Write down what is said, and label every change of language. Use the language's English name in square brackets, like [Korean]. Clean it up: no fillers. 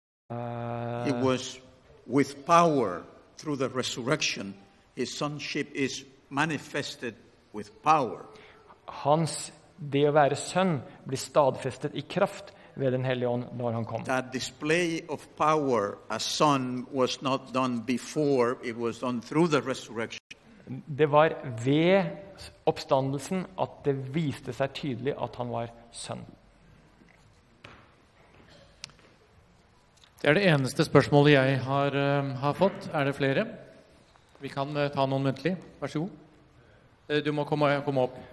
[English] It was with power through the resurrection. His sonship is manifested with power. [Norwegian] Hans det å være sønn blir stadfestet i kraft ved den hellige ånd når han kom. [English] That display of power as son was not done before. It was done through the resurrection. [Norwegian] Det var ved oppstandelsen at det viste seg tydelig at han var sønn. Det det eneste spørsmålet jeg har fått. Det flere? Vi kan ta noen muntlig. Vær så god. Du må komme opp.